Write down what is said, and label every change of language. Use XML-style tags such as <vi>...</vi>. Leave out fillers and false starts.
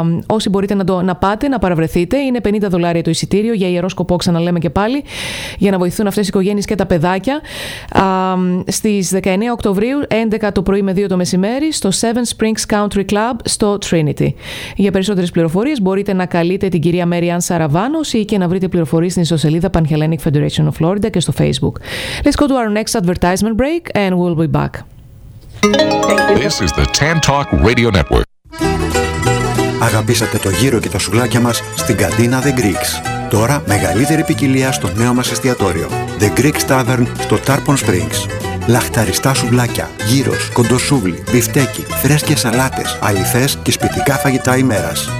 <el>Όσοι μπορείτε να πάτε, να παραβρεθείτε, είναι $50 το εισιτήριο για ιερό σκοπό, ξαναλέμε και πάλι, για να βοηθούν αυτές οι οικογένειες και τα παιδάκια. Στις 19 Οκτωβρίου, 11 το πρωί με 2 το μεσημέρι, στο Seven Springs Country Club στο Trinity. Για περισσότερες πληροφορίες μπορείτε να καλείτε την κυρία Μέριαν Σαραβάνος ή και να βρείτε πληροφορίες στην ιστοσελίδα Panhellenic Federation of Florida και στο Facebook.</el> <en>Let's go to our next advertisement break and we'll be back. This is the Tantalk Radio Network.</en> <el>Αγαπήσατε το γύρο και τα σουβλάκια μας στην καντίνα The Greeks. Τώρα μεγαλύτερη ποικιλία στο νέο μας εστιατόριο. The Greeks Tavern στο Tarpon Springs. Λαχταριστά σουβλάκια, γύρος, κοντοσούβλι, μπιφτέκι, φρέσκες σαλάτες, αληθές και σπιτικά φαγητά ημέρας.</el>